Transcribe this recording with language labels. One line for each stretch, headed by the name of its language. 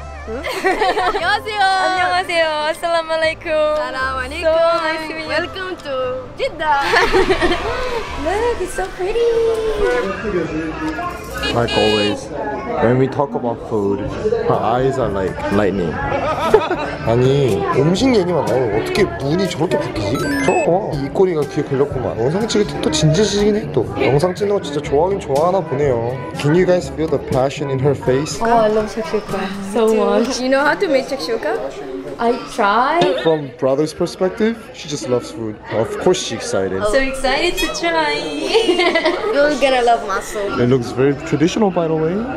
Korean: Hmm? 안녕하세요. Assalamualaikum.
Arabic: Assalamualaikum.
English: So nice to meet you. Welcome to Jeddah. Look, it's so pretty. Like always, when we talk about food, her eyes are like lightning.
Korean: 아니, 음식 얘기만 나와. 어떻게 눈이 저렇게 바뀌지? 저거 이 꼬리가 귀에 걸렸구만. 영상 찍을 때 또 진지해지긴 해, 또. 영상 찍는 거 진짜 좋아하긴 좋아하나 보네요.
English: Can you guys feel the passion in her face? Oh, I love shakshuka so much. Do you know how to make shakshuka? I try. From brother's perspective, she just loves food. Of course she's excited. So excited to try. You're gonna love muscle. It looks very traditional, by the way.